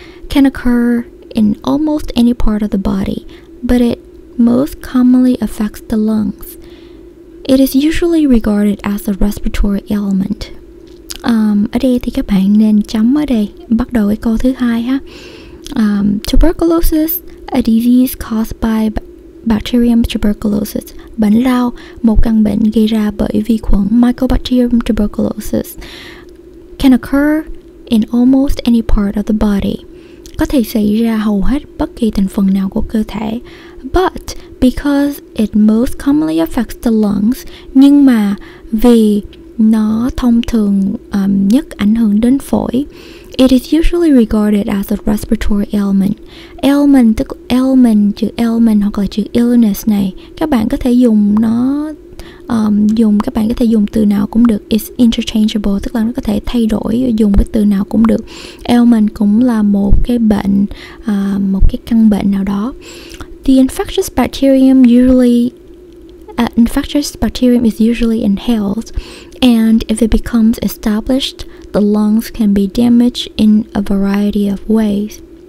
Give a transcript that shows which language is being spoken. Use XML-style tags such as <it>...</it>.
<en>Can occur in almost any part of the body, but it most commonly affects the lungs. It is usually regarded as a respiratory ailment.</en> <vi>Ở đây thì các bạn nên chấm ở đây, bắt đầu cái câu thứ hai ha.</vi> <en>Tuberculosis, a disease caused by bacterium tuberculosis.</en> <vi>Bệnh lao, một căn bệnh gây ra bởi vi khuẩn Mycobacterium tuberculosis.</vi> <en>Can occur in almost any part of the body.</en> <vi>Có thể xảy ra hầu hết bất kỳ thành phần nào của cơ thể.</vi> <en>But because it most commonly affects the lungs,</en> <vi>nhưng mà vì nó thông thường nhất ảnh hưởng đến phổi,</vi> <en>it is usually regarded as a respiratory ailment.</en> <vi>Ailment, tức ailment, chữ ailment hoặc là chữ illness này, các bạn có thể dùng nó các bạn có thể dùng từ nào cũng được.</vi> <en>It's interchangeable,</en> <vi>tức là nó có thể thay đổi, dùng cái từ nào cũng được. Ailment cũng là một cái bệnh, một cái căn bệnh nào đó.</vi> <en>The infectious bacterium usually infectious bacterium is usually inhaled. And if it becomes established, the lungs can be damaged in a variety of ways.</en>